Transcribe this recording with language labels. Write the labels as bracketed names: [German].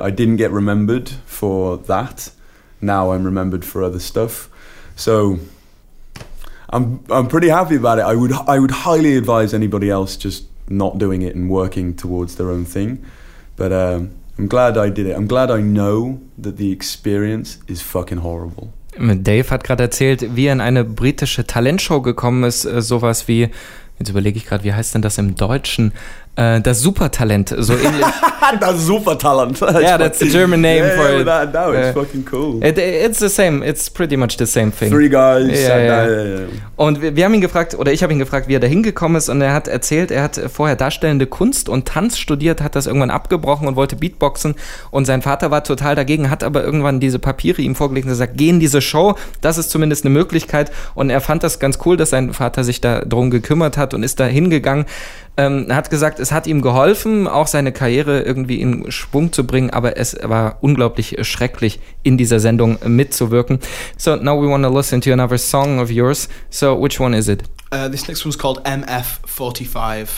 [English] I didn't get remembered for that. Now I'm remembered for other stuff. So I'm pretty happy about it. I would highly advise anybody else just not doing it and working towards their own thing. But I'm glad I did it. I'm glad I know that the experience is fucking horrible. [German] Dave hat gerade erzählt, wie er in eine britische Talentshow gekommen ist, sowas wie, jetzt überlege ich gerade, wie heißt denn das im Deutschen? Das Supertalent, so ähnlich. Das Supertalent. [English] Yeah, that's the German name for it. Yeah, without a doubt, it's fucking cool. It's the same, it's pretty much the same thing. Three guys. [German] Und wir haben ihn gefragt, oder ich habe ihn gefragt, wie er da hingekommen ist. Und er hat erzählt, er hat vorher darstellende Kunst und Tanz studiert, hat das irgendwann abgebrochen und wollte Beatboxen. Und sein Vater war total dagegen, hat aber irgendwann diese Papiere ihm vorgelegt und gesagt, geh in diese Show, das ist zumindest eine Möglichkeit. Und er fand das ganz cool, dass sein Vater sich da drum gekümmert hat und ist da hingegangen. Hat gesagt, es hat ihm geholfen, auch seine Karriere irgendwie in Schwung zu bringen, aber es war unglaublich schrecklich, in dieser Sendung mitzuwirken. [English] So, now we want to listen to another song of yours. So, which one is it? This next one's called MF45.